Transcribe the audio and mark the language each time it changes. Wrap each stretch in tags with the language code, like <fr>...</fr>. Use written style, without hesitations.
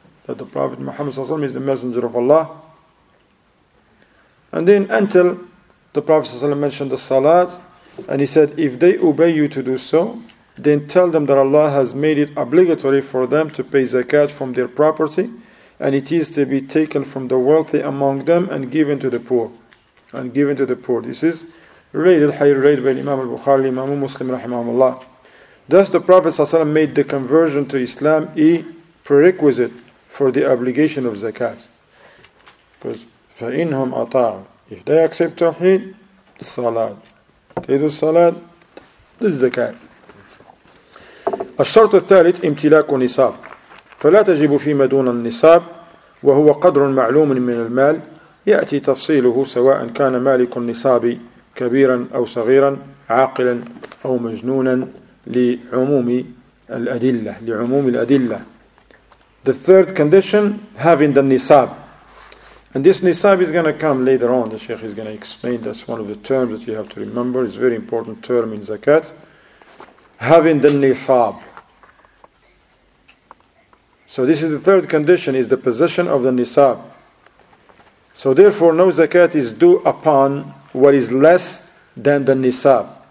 <en>That the Prophet Muhammad ﷺ is the messenger of Allah. And then until the Prophet ﷺ mentioned the Salat, and he said, if they obey you to do so, then tell them that Allah has made it obligatory for them to pay zakat from their property, and it is to be taken from the wealthy among them and given to the poor. This is related, highly related by Imam al-Bukhari, Imam Muslim, rahimahumullah. Thus the Prophet ﷺ made the conversion to Islam a prerequisite for the obligation of zakat.</en> <ar>Because, فَإِنْهُمْ أَطَاعُوا.</ar> <en>If they accept tawheed, the salat. They do salat, the zakat.</en> <ar>الشرط الثالث امتلاك نصاب. فلا تجب فيما دون النصاب وهو قدر معلوم من المال يأتي تفصيله سواء كان مالك النصاب كبيرا أو صغيرا عاقلا أو مجنونا لعموم الأدلة.</ar> <en>The third condition, having the nisab. And this nisab is going to come later on. The Sheikh is going to explain. That's one of the terms that you have to remember. It's a very important term in zakat. Having the nisab. So this is the third condition, is the possession of the nisab. So therefore, no zakat is due upon what is less than the nisab.</en>